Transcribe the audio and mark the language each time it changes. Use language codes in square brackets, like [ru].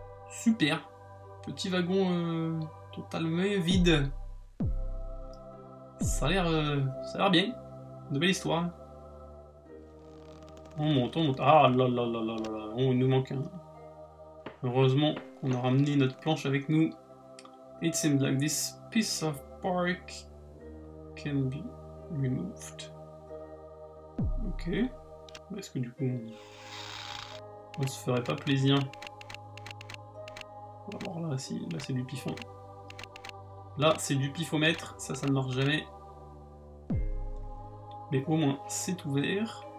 [fr] Super. Petit wagon totalement vide. Ça a l'air bien. De belle histoire. On monte. Ah là là là là là là. Oh, il nous manque un. Heureusement qu'on a ramené notre planche avec nous. [en] It seems like this piece of bark can be removed. [fr] Ok, est-ce que du coup on se ferait pas plaisir? On va voir là, si, là c'est du pifon. Là c'est du pifomètre, ça ne marche jamais. Mais au moins c'est ouvert,